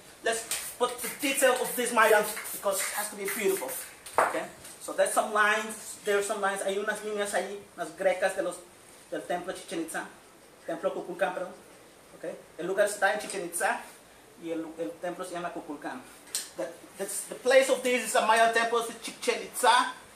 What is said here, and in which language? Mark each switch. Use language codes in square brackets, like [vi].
[en] Let's put the detail of this Mayan because it has to be beautiful. Okay? So there's some lines. There's some lines. [es] Hay unas líneas ahí, unas grecas de del templo de Chichen Itza. Templo Kukulkan, perdón. Okay? El lugar está en Chichen Itza y el templo se llama Kukulkan. [en] The place of this is a Mayan temple in Chichen Itza.